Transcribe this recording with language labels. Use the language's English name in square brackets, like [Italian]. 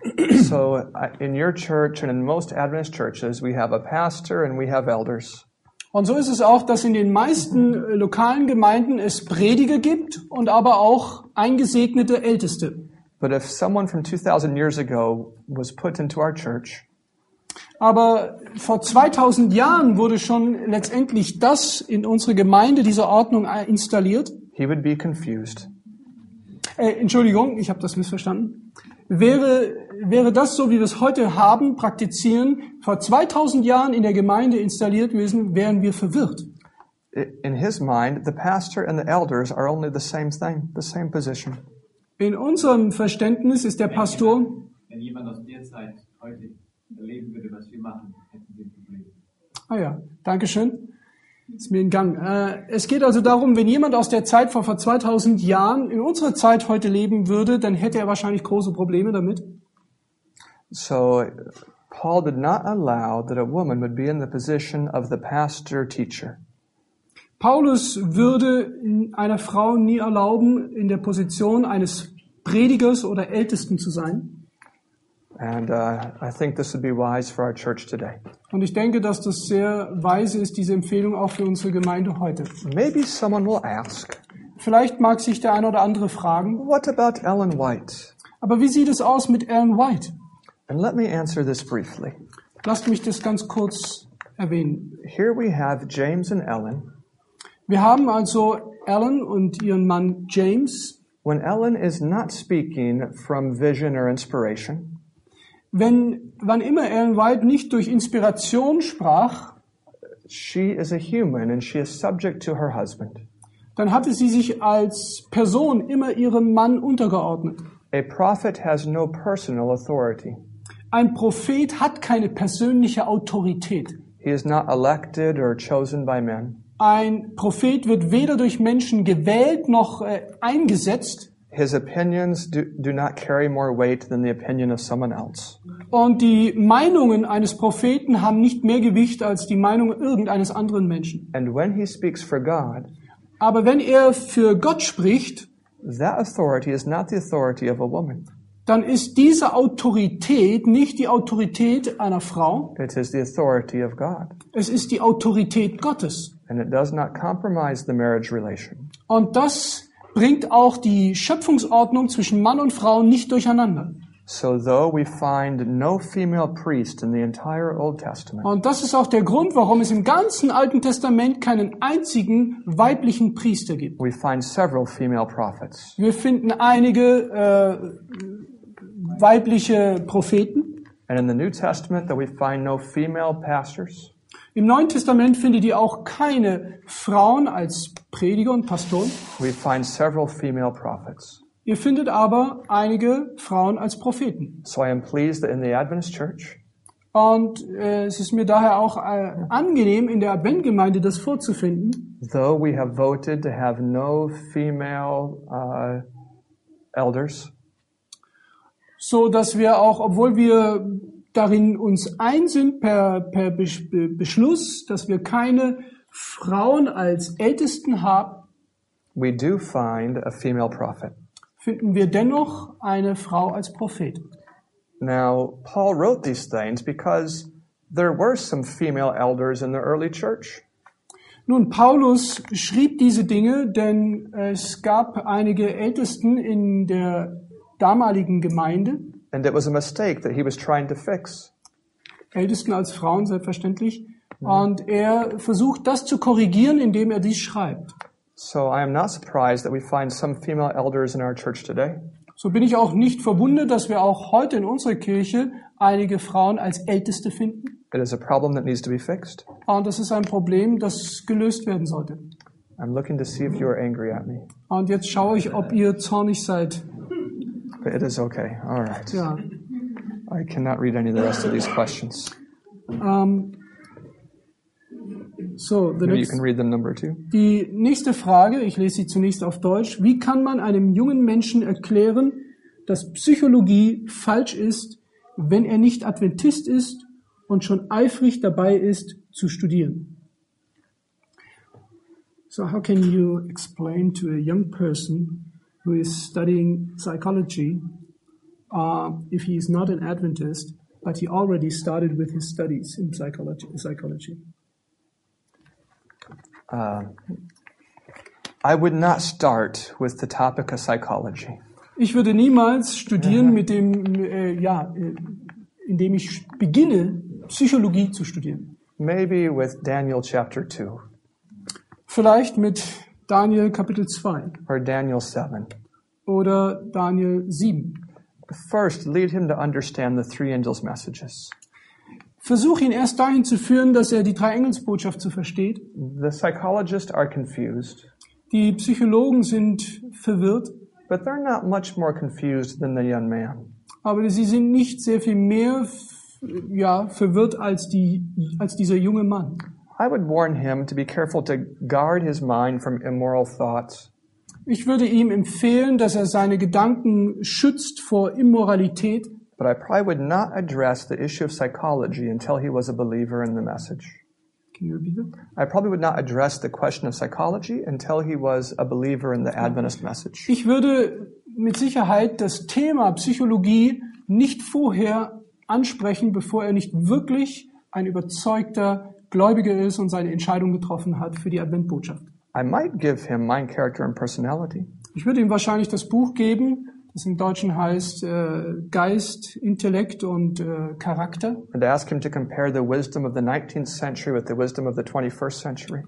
[English] So in your church and in most Adventist churches we have a pastor and we have elders. [German] Und so ist es auch, dass in den meisten lokalen Gemeinden es Prediger gibt und aber auch eingesegnete Älteste. [English] But if someone from 2000 years ago was put into our church. [German] Aber vor 2000 Jahren wurde schon letztendlich das in unsere Gemeinde diese Ordnung installiert. [English] He would be confused. [German] Entschuldigung, ich habe das missverstanden. Wäre das so, wie wir es heute haben, praktizieren, vor 2000 Jahren in der Gemeinde installiert gewesen, wären wir verwirrt. [English] In his mind, the pastor and the elders are only the same thing, the same position. [German] In unserem Verständnis ist der Pastor. Wenn jemand aus der Zeit heute erleben würde, was wir machen, hätten wir Probleme. Ah ja, danke schön. Ist mir entgangen. Es geht also darum, wenn jemand aus der Zeit von vor 2000 Jahren in unserer Zeit heute leben würde, dann hätte er wahrscheinlich große Probleme damit. [English] So, Paul did not allow that a woman would be in the position of the pastor teacher. [German] Paulus würde einer Frau nie erlauben, in der Position eines Predigers oder Ältesten zu sein. [English] And I think this would be wise for our church today. [German] Und ich denke, dass das sehr weise ist, diese Empfehlung auch für unsere Gemeinde heute. [English] Maybe someone will ask. [German] Vielleicht mag sich der eine oder andere fragen. [English] What about Ellen White? [German] Aber wie sieht es aus mit Ellen White? [English] And let me answer this briefly. [German] Lasst mich das ganz kurz erwähnen. [English] Here we have James and Ellen. [German] Wir haben also Ellen und ihren Mann James. [English] When Ellen is not speaking from vision or inspiration. [German] wann immer Ellen White nicht durch Inspiration sprach, [English] she is a human and she is subject to her husband. [German] Dann hatte sie sich als Person immer ihrem Mann untergeordnet. [English] A prophet has no personal authority. [German] Ein Prophet hat keine persönliche Autorität. [English] He is not elected or chosen by men. [German] Ein Prophet wird weder durch Menschen gewählt noch eingesetzt. [English] His opinions do not carry more weight than the opinion of someone else. [German] Und die Meinungen eines Propheten haben nicht mehr Gewicht als die Meinung irgendeines anderen Menschen. [English] And when he speaks for God, [German] aber wenn er für Gott spricht, [English] that authority is not the authority of a woman. [German] Dann ist diese Autorität nicht die Autorität einer Frau. [English] It is the authority of God. [German] Es ist die Autorität Gottes. [English] And it does not compromise the marriage relation. [German] Und das bringt auch die Schöpfungsordnung zwischen Mann und Frau nicht durcheinander. [English] So though we find no female priest in the entire Old Testament. [German] Und das ist auch der Grund, warum es im ganzen Alten Testament keinen einzigen weiblichen Priester gibt. [English] We find several female prophets. [German] Wir finden einige weibliche Propheten. [English] And in the New Testament that we find no female pastors. [German] Im Neuen Testament findet ihr auch keine Frauen als Prediger und Pastoren. [English] We find several female prophets. [German] Ihr findet aber einige Frauen als Propheten. [English] So I am pleased that in the Adventist Church. [German] Und es ist mir daher auch angenehm, in der Adventgemeinde das vorzufinden. [English] Though we have voted to have no female elders. [German] So dass wir auch, obwohl wir darin uns ein sind per Beschluss, dass wir keine Frauen als Ältesten haben, [English] we do find a female prophet. [German] Finden wir dennoch eine Frau als Prophet. [English] Now, Paul wrote these things because there were some female elders in the early church. [German] Nun, Paulus schrieb diese Dinge, denn es gab einige Ältesten in der damaligen Gemeinde. [English] And it was a mistake that he was trying to fix. [German] Ältesten als Frauen, selbstverständlich. Mm-hmm. Und er versucht, das zu korrigieren, indem er dies schreibt. [English] So I am not surprised that we find some female elders in our church today. [German] So bin ich auch nicht verwundert, dass wir auch heute in unserer Kirche einige Frauen als Älteste finden. [English] It is a problem that needs to be fixed. [German] Und das ist ein Problem, das gelöst werden sollte. [English] I'm looking to see if you are angry at me. [German] Und jetzt schaue ich, ob ihr zornig seid. [English] It is okay. All right. [German] Ja. [English] I cannot read any of the rest of these questions. Maybe you can read them number two. [German] Die nächste Frage, ich lese sie zunächst auf Deutsch. Wie kann man einem jungen Menschen erklären, dass Psychologie falsch ist, wenn er nicht Adventist ist und schon eifrig dabei ist, zu studieren? [English] So how can you explain to a young person who is studying psychology, if he is not an Adventist, but he already started with his studies in psychology. I would not start with the topic of psychology. [German] Ich würde niemals studieren mit dem, indem ich beginne, Psychologie zu studieren. [English] Maybe with Daniel chapter 2. [German] Vielleicht mit Daniel Kapitel 2. [English] Or Daniel 7. [German] Oder Daniel 7. [English] First, lead him to understand the three angels' messages. [German] Versuch ihn erst dahin zu führen, dass er die Drei-Engels-Botschaft zu versteht. [English] The psychologists are confused. [German] Die Psychologen sind verwirrt. [English] But they're not much more confused than the young man. [German] Aber sie sind nicht sehr viel mehr verwirrt als dieser junge Mann. [English] I would warn him to be careful to guard his mind from immoral thoughts. [German] Ich würde ihm empfehlen, dass er seine Gedanken schützt vor Immoralität. [English] But I probably would not address the issue of psychology until he was a believer in the message. Can you repeat that? I probably would not address the question of psychology until he was a believer in the Adventist message. [German] Ich würde mit Sicherheit das Thema Psychologie nicht vorher ansprechen, bevor er nicht wirklich ein überzeugter Gläubiger ist und seine Entscheidung getroffen hat für die Adventbotschaft. [English] I might give him mein character and personality. [German] Ich würde ihm wahrscheinlich das Buch geben, das im Deutschen heißt Geist, Intellekt und Charakter. [English] And ask him to compare the wisdom of the 19th century with the wisdom of the 21st century.